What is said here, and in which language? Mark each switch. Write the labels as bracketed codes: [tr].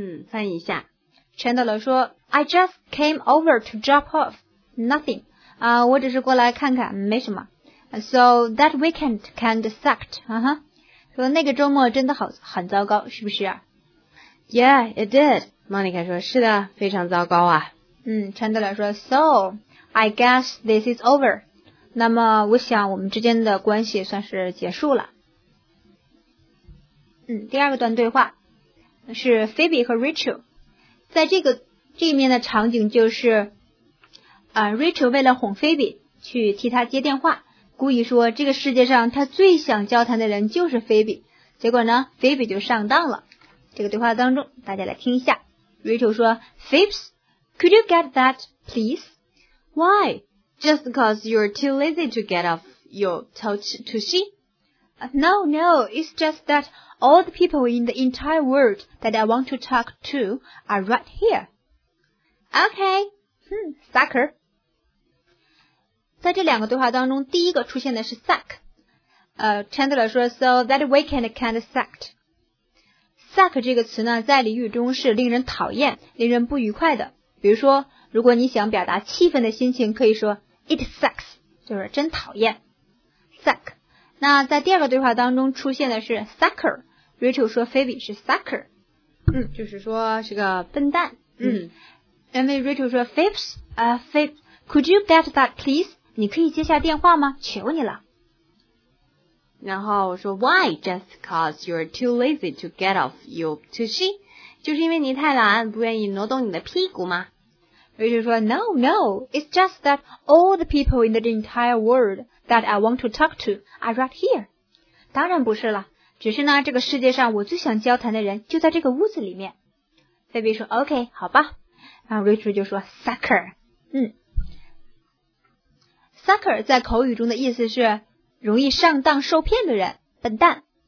[zh] 翻译一下。 [en] Chandler [zh] 说 [en] I just came over to drop off nothing. [zh] 我只是过来看看，没什么。 [en] So that weekend kind of sucked. Uh-huh. [zh] 说那个周末真的很糟糕，是不是啊？ [en] Yeah, it did. [zh] Monica 说是的，非常糟糕啊。 [en] Chandler [zh] 说 [en] So I guess this is over. [zh] 那么我想我们之间的关系算是结束了。第二个段对话是 Phoebe 和 Rachel。在这一面的场景就是Rachel 为了哄 Phoebe 去替他接电话，故意说这个世界上他最想交谈的人就是 Phoebe， 结果呢 Phoebe 就上当了。这个对话当中大家来听一下。 [en] Rachel [zh] 说 [en] Phoebs, could you get that please? Why? Just because you're too lazy to get off your touch to see? No, it's just that all the people in the entire world that I want to talk to are right here. Okay, sucker. [zh] 在这两个对话当中第一个出现的是 suck. [en] Chandler [zh] 说 [en] So that weekend kind of sucked. [zh] Suck 这个词呢在俚语中是令人讨厌，令人不愉快的。比如说如果你想表达气愤的心情，可以说 [en] It sucks, [zh] 就是真讨厌。Suck. 那在第二个对话当中出现的是 sucker. Rachel 说 Phoebe 是 sucker. 就是说是个笨蛋。因为 [en] Rachel [zh] 说 [en] Phoebs, Phoebs, could you get that please? [zh] 你可以接下电话吗？求你了。然后说 Why? [en] Just cause you're too lazy to get off your tushy? [zh] 就是因为你太懒，不愿意挪动你的屁股吗？ [en] Rachel [zh] 说 [en] No, it's just that all the people in the entire world that I want to talk to are right here. [zh] 当然不是了，只是呢这个世界上我最想交谈的人就在这个屋子里面。 Phoebe 说 OK, 好吧。然后 Rachel 就说 Sucker. Sucker 在口语中的意思是容易上当受骗的人，笨蛋。